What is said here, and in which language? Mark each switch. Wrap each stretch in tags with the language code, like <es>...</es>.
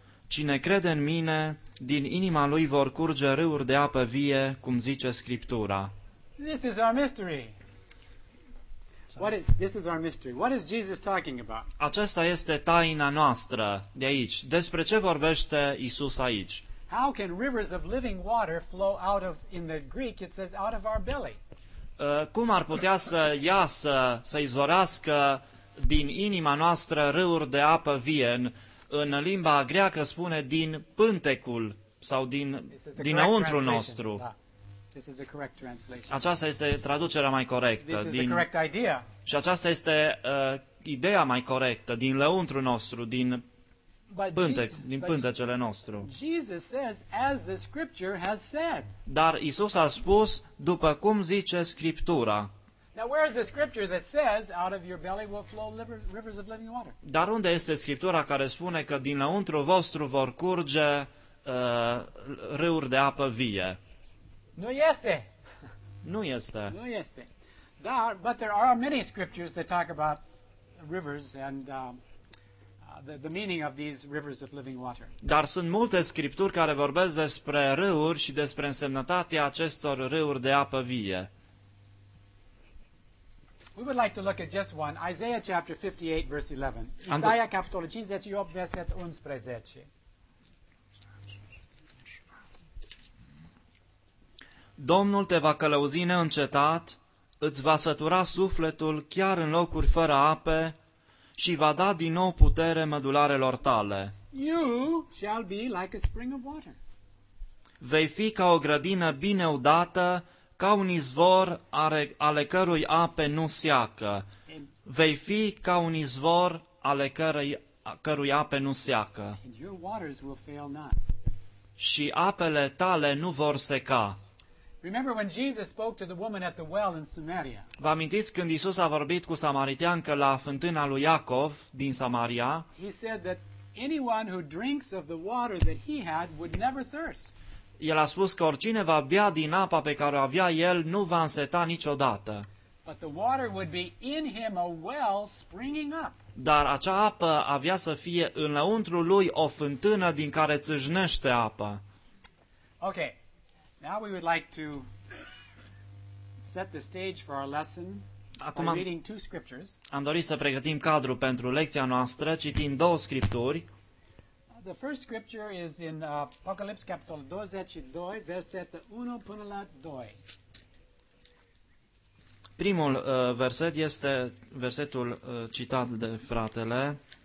<ro>Cine crede în mine, din inima lui vor curge râuri de apă vie, cum zice Scriptura.</ro> <en>This is our mystery. This is our mystery. What is Jesus talking about?</en> <ro>Aceasta este taina noastră de aici. Despre ce vorbește Iisus aici?</ro> <en>How can rivers of living water flow out of, in the Greek it says out of our belly?</en> <ro>Cum ar putea să iasă, să izvorească din inima noastră râuri de apă vie? În limba greacă spune din pântecul sau dinăuntru nostru.</ro> <en>This is the correct translation.</en> <ro>Aceasta este traducerea mai corectă.</ro> <en>This is the correct idea.</en> <ro>Și aceasta este ideea mai corectă, din lăuntru nostru, din pântecele nostru.</ro> <en>Jesus says, as the scripture has said.</en> <ro>Dar Iisus a spus, după cum zice Scriptura.</ro> <en>Now where is the scripture that says, out of your belly will flow rivers of living water?</en> <ro>Dar unde este Scriptura care spune că din lăuntru vostru vor curge râuri de apă vie? Nu este. Nu este.</ro> <en>Dar, but there are many scriptures that talk about rivers and the meaning of these rivers of living water.</en> <ro>Dar sunt multe scripturi care vorbesc despre râuri și despre însemnătatea acestor râuri de apă vie.</ro> <en>We would like to look at just one, Isaiah chapter 58 verse 11.</en> <ro>Isaia capitolul 58 verset 11. Domnul te va călăuzi neîncetat, îți va sătura sufletul chiar în locuri fără ape și va da din nou putere mădularelor tale.</ro> <en>You shall be like a spring of water.</en> <ro>Vei fi ca o grădină bine udată, ca un izvor ale cărui ape nu seacă. Vei fi ca un izvor ale cărui ape nu seacă.</ro> <en>And your waters will fail not.</en> <ro>Și apele tale nu vor seca.</ro> <en>Remember when Jesus spoke to the woman at the well in Samaria?</en> <ro>Vă amintiți când Iisus a vorbit cu samariteanca la fântâna lui Iacov din Samaria?</ro> <en>He said that anyone who drinks of the water that he had would never thirst.</en> <ro>El a spus că oricine va bea din apa pe care o avea el nu va înseta niciodată.</ro> <en>But the water would be in him a well springing up.</en> <ro>Dar acea apă avea să fie înăuntru lui o fântână din care țâșnește apă.</ro> <en>Okay. Now we would like to set the stage for our lesson by reading two scriptures.</en> <ro>Am dorit să pregătim cadrul pentru lecția noastră citind două scripturi.</ro> <en>The first scripture is in Apocalypse</en> <ro>capitolul 22, versetul 1 până la 2. Primul verset este versetul citat de fratele.</ro>